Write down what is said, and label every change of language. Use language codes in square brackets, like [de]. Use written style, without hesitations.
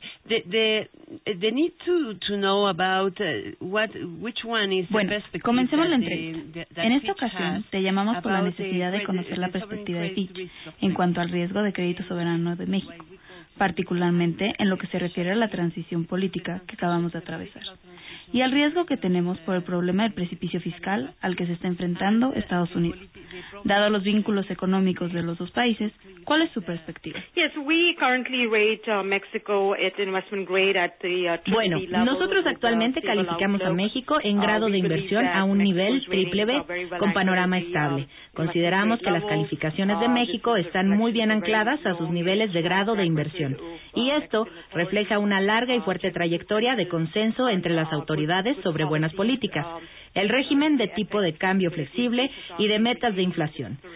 [en] The need to know about which one is [es] bueno, [en] the perspective. [es] Bueno, comencemos la entrevista. En esta ocasión te llamamos por la necesidad de conocer la perspectiva de Fitch en cuanto al riesgo de crédito soberano de México, particularmente en lo que se refiere a la transición política que acabamos de atravesar y al riesgo que tenemos por el problema del precipicio fiscal al que se está enfrentando Estados Unidos. Dado los vínculos económicos de los dos países, ¿cuál es su perspectiva? [en] Yes, we currently rate Mexico at investment grade at the [es] bueno, nosotros actualmente calificamos a México en grado de inversión a un nivel triple B con panorama estable. Consideramos que las calificaciones de México están muy bien ancladas a sus niveles de grado de inversión. Y esto refleja una larga y fuerte trayectoria de consenso entre las autoridades sobre buenas políticas, el régimen de tipo de cambio flexible y de metas de inflación.